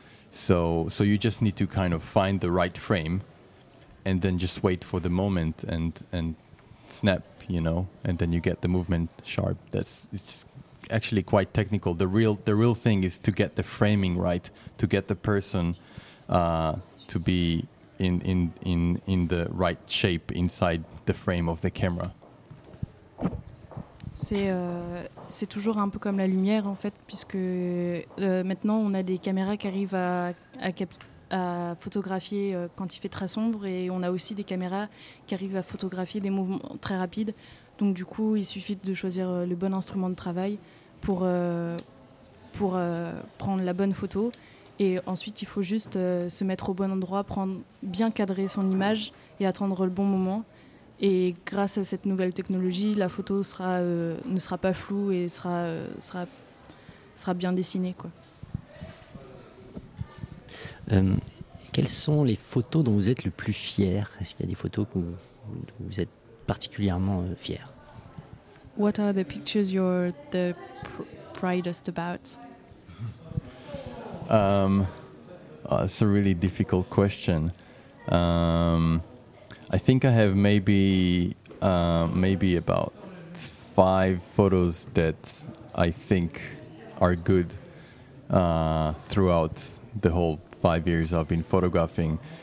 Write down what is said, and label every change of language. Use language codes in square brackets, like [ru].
[en] So you just need to kind of find the right frame and then just wait for the moment and snap, you know, and then you get the movement sharp. It's actually quite technical. The real thing is to get the framing right, to get the person to be in the right shape inside the frame of the camera. [fr] C'est toujours un peu comme la lumière en fait, puisque maintenant on a des caméras qui arrivent à photographier quand il fait très sombre, et on a aussi des caméras qui arrivent à photographier des mouvements très rapides. Donc du coup, il suffit de choisir le bon instrument de travail pour prendre la bonne photo, et ensuite il faut juste se mettre au bon endroit, bien cadrer son image et attendre le bon moment. Et grâce à cette nouvelle technologie, la photo sera ne sera pas floue et sera bien dessinée, quoi. Quelles sont les photos dont vous êtes le plus fier? Est-ce qu'il y a des photos dont vous êtes particulièrement fier? [en] What are the pictures you're the proudest about? It's a really difficult question. I think I have maybe about 5 photos that I think are good throughout the whole 5 years I've been photographing.